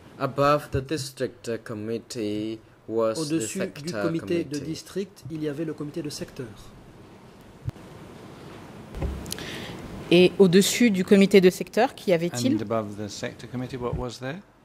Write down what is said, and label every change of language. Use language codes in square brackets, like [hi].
[en] Above the district committee was the sector committee. [fr] Au-dessus du comité de district, il y avait le comité de secteur. Et au-dessus du comité de secteur, qui avait-il? [en] And above the sector committee, what was there?